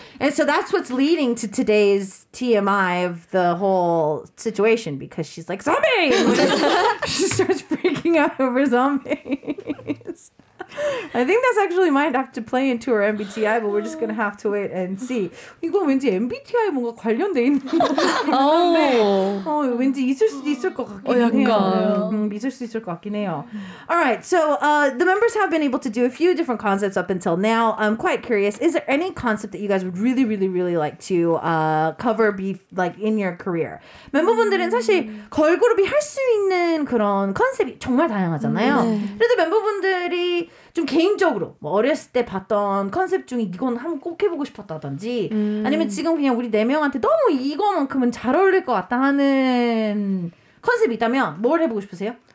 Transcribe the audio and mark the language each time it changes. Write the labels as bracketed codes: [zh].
[en] And so that's what's leading to today's TMI of the whole situation, because she's like, zombie! She starts freaking out over zombies. I think that's actually might have to play into her MBTI, but we're just going to have to wait and see. [ko] 이거 왠지 MBTI 뭔가 관련돼 있는 거 같은데. 어, 왠지 있을 수도 있을 것 같긴 해요. 있을 수 있을 것 같긴 해요. [en] All right, so the members have been able to do a few different concepts up until now. I'm quite curious. Is there any concept that you guys would really, really, really like to cover like in your career? [ko] 멤버분들은 사실 걸그룹이 할 수 있는 그런 컨셉이 정말 다양하잖아요. 그래도 멤버분들이 좀 개인적으로 뭐 어렸을 때 봤던 컨셉 중에 이건 한번 꼭 해보고 싶었다든지 아니면 지금 그냥 우리 네 명한테 너무 이거만큼은 잘 어울릴 것 같다 하는 컨셉이 있다면 뭘 해보고 싶으세요?